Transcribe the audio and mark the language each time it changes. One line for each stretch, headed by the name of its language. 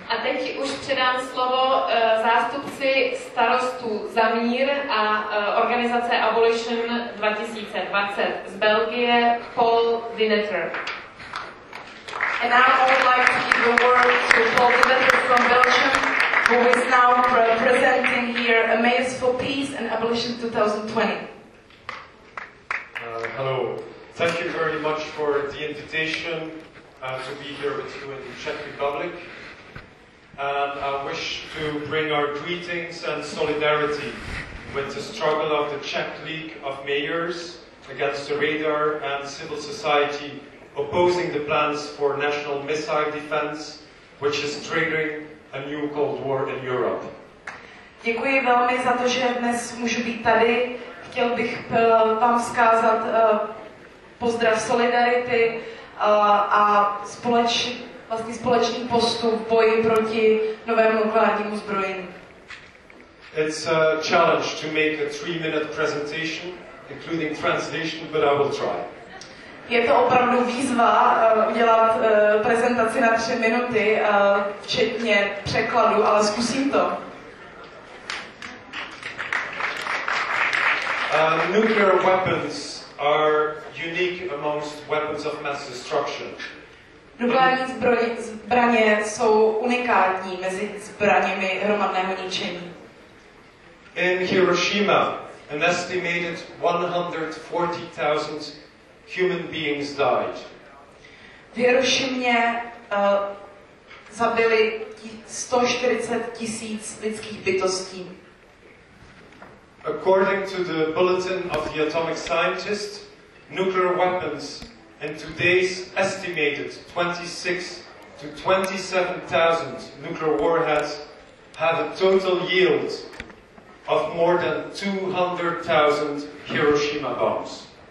Czech: A teď už předám slovo zástupci starostů za mír a organizace Abolition 2020 z Belgie, Paul Dineter.
English: And I would like to give a word to Paul Dineter from Belgium, who is now presenting here a Maze for Peace and Abolition 2020. Hello. Thank you very much for the invitation to be here with you in the Czech Republic. And I wish to bring our greetings and solidarity with the struggle of the Czech League of Mayors against the radar and civil society opposing the plans for national missile defense, which is triggering a new Cold War in Europe.
Czech: Děkuji velmi za to, že dnes můžu být tady. Chtěl bych vám vzkázat pozdrav solidarity a společný postup v boji proti novému nukleárnímu zbrojení.
English: It's a challenge to make a 3-minute presentation, including translation, but I will try.
Czech: Je to opravdu výzva udělat prezentaci na 3 minuty, včetně překladu, ale zkusím to.
English: Nuclear weapons are unique amongst weapons of mass destruction.
Czech: Nukleární zbraně jsou unikátní mezi zbraněmi hromadného ničení.
English: In Hiroshima, an estimated 140,000 human beings died.
Czech: V Hirošimě zabili 140 tisíc lidských bytostí.
English: According to the bulletin of the atomic scientists, nuclear weapons and today's estimated 26,000 to 27,000 nuclear warheads have a total yield of more than 200,000 Hiroshima bombs.